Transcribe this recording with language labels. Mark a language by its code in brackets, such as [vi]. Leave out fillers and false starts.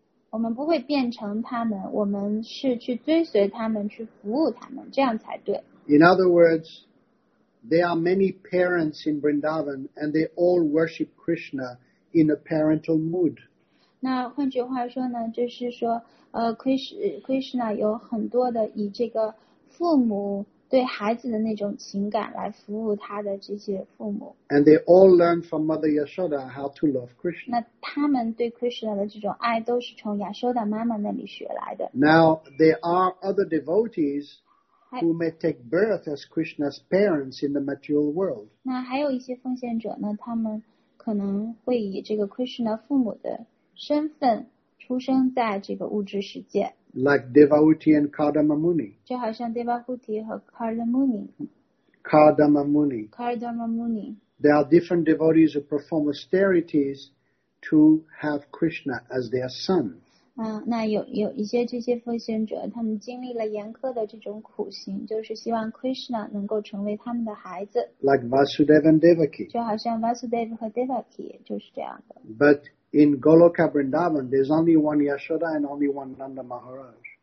[zh] 我们不会变成他们，我们是去追随他们，去服务他们，这样才对。 [en] In other words, there are many parents in Vrindavan, and they all worship Krishna in a parental mood. [zh] 那换句话说呢，就是说。Krishna 有很多的以这个父母对孩子的那种情感来服务他的这些父母。 [en] And they all learn from Mother Yashoda how to love Krishna. [zh] 那他们对 Krishna 的这种爱都是从亚修达妈妈那里学来的。 [en] Now there are other devotees who may take birth as Krishna's parents in the material world. [zh] 那还有一些奉献者呢，他们可能会以这个 Krishna 父母的身份。出生在这个物质世界 [en] ，like Devahuti and Kardamamuni， [zh] 就好像 Devahuti 和 Kardamamuni。 [en] Kardamamuni。 [zh] Kardamamuni。 [en] There are different devotees who perform austerities to have Krishna as their son。 [zh] 那有一些这些奉献者，他们经历了严苛的这种苦行，就是希望 Krishna 能够成为他们的孩子。 [en] Like Vasudeva and Devaki。 [zh] 就好像 Vasudeva 和 Devaki 就是这样的。 [en] But In Goloka Vrindavan, there's only one Yashoda and only one Nanda Maharaj.